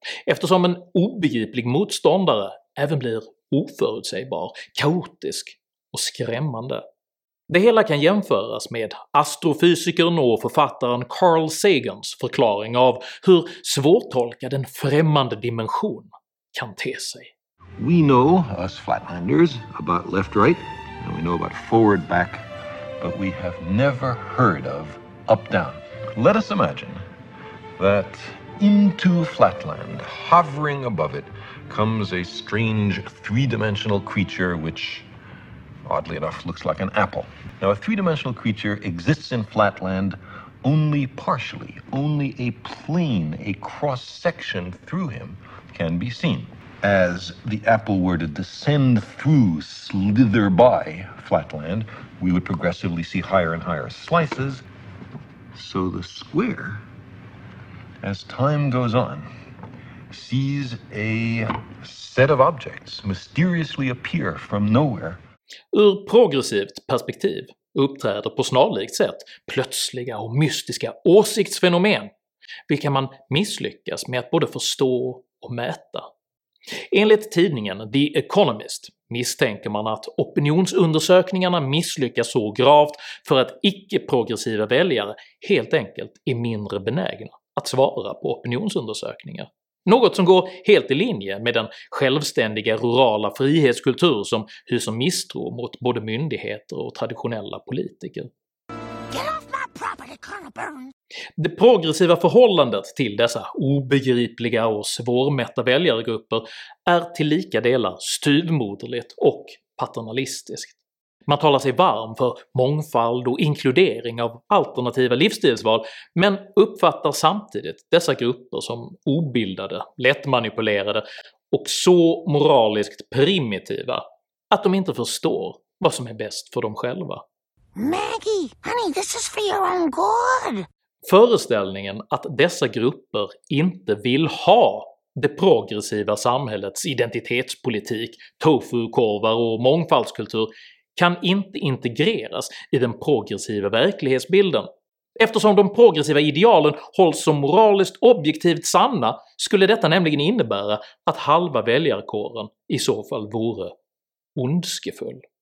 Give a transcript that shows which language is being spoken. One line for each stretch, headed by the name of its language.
Swedish: Eftersom en obegriplig motståndare även blir oförutsägbar, kaotisk och skrämmande. Det hela kan jämföras med astrofysikern och författaren Carl Sagans förklaring av hur svårtolkad en främmande dimension kan te sig.
English: We know, us flatlanders, about left right, and we know about forward back, but we have never heard of up down. Let us imagine that into flatland, hovering above it, comes a strange three-dimensional creature which, oddly enough, looks like an apple. Now, a three-dimensional creature exists in flatland only partially. Only a plane, a cross-section through him, can be seen. As the apple were to descend through, slither by flatland, we would progressively see higher and higher slices. So the square, as time goes on, sees a set of objects mysteriously appear from nowhere.
Swedish: Ur progressivt perspektiv uppträder på snarlikt sätt plötsliga och mystiska åsiktsfenomen, vilka man misslyckas med att både förstå och mäta. Enligt tidningen The Economist misstänker man att opinionsundersökningarna misslyckas så gravt för att icke-progressiva väljare helt enkelt är mindre benägna att svara på opinionsundersökningar. Något som går helt i linje med den självständiga rurala frihetskultur som hyser misstro mot både myndigheter och traditionella politiker.
English: Get off my property, Colonel Burns.
Swedish: Det progressiva förhållandet till dessa obegripliga och svårmätta väljargrupper är till lika delar styvmoderligt och paternalistiskt. Man talar sig varm för mångfald och inkludering av alternativa livsstilsval, men uppfattar samtidigt dessa grupper som obildade, lättmanipulerade och så moraliskt primitiva att de inte förstår vad som är bäst för dem själva.
English: Maggie, honey, this is for your own good.
Swedish: Föreställningen att dessa grupper inte vill ha det progressiva samhällets identitetspolitik, tofu-korvar och mångfaldskultur kan inte integreras i den progressiva verklighetsbilden. Eftersom de progressiva idealen hålls som moraliskt objektivt sanna skulle detta nämligen innebära att halva väljarkåren i så fall vore ondskefull.